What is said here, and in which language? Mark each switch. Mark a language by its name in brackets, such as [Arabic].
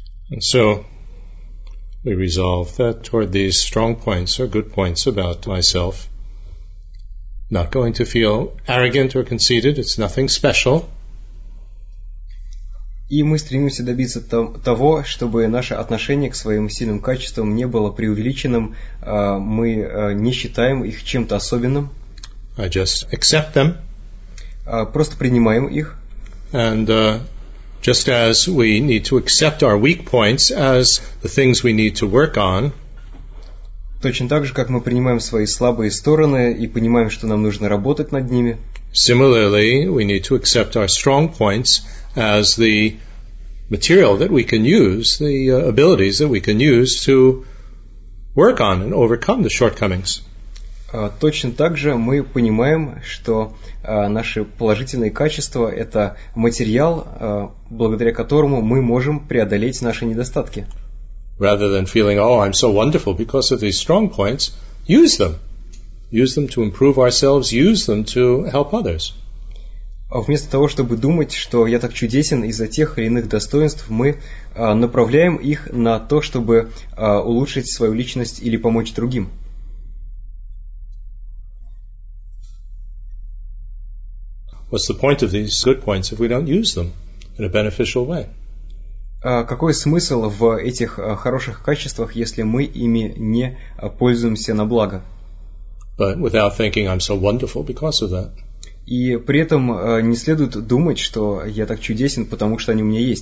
[English] And so we resolve that toward these strong points or good points about myself, not going to feel arrogant or conceited, it's nothing special. [Russian] И мы стремимся добиться того, чтобы наше отношение к своим сильным качествам не было преувеличенным. Мы не считаем их чем-то особенным. [English] I just accept them. [Russian] Просто принимаем их. [English] And just as we need to accept our weak points as the things we need to work on. [Russian] Точно так же, как мы принимаем свои слабые стороны и понимаем, что нам нужно работать над ними. [English] Similarly, we need to accept our strong points as the material that we can use, the abilities that we can use to work on and overcome the shortcomings. [Russian] Точно так же мы понимаем, что наши положительные качества – это материал, благодаря которому мы можем преодолеть наши недостатки. [English] Rather than feeling, oh, I'm so wonderful because of these strong points, use them. Use them to improve ourselves, use them to help others. [Russian] Вместо того, чтобы думать, что я так чудесен из-за тех или иных достоинств, мы направляем их на то, чтобы улучшить свою личность или помочь другим. [English] What's the point of these good points if we don't use them in a beneficial way? [Russian] Какой смысл в этих хороших качествах, если мы ими не пользуемся на благо? [English] But without thinking I'm so wonderful because of that. [Russian] И при этом не следует думать, что я так чудесен, потому что они у меня